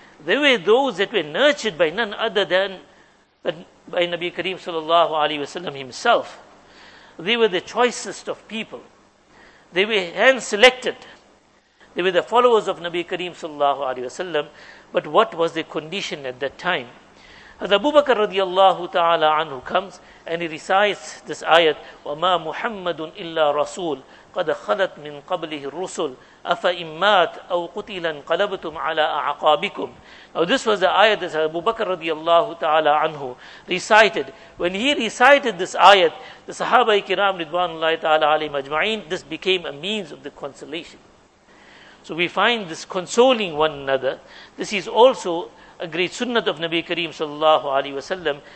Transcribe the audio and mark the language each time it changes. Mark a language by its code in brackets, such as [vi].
[en] They were those that were nurtured by none other than by Nabi Kareem sallallahu alayhi wa sallam himself. They were the choicest of people. They were hand selected. They were the followers of Nabi Kareem sallallahu alayhi wa sallam. But what was the condition at that time? Hazrat Abu Bakr radiallahu ta'ala anhu comes and he recites this ayat, [ar] وَمَا مُحَمَّدٌ إِلَّا رَسُولٌ قَدْ خَلَتْ مِنْ قَبْلِهِ الرُّسُلُ أَفَإِنْ مَاتَ أَوْ قُتِلَ انْقَلَبْتُمْ عَلَىٰ أَعْقَابِكُمْ. [en] Now this was the ayat that Abu Bakr radiallahu ta'ala anhu recited. When he recited this ayat, the Sahaba ikram ridwanullahi ta'ala alayhim ajma'in, this became a means of the consolation. So we find this consoling one another. This is also a great sunnah of Nabi Kareem sallallahu alayhi wa sallam.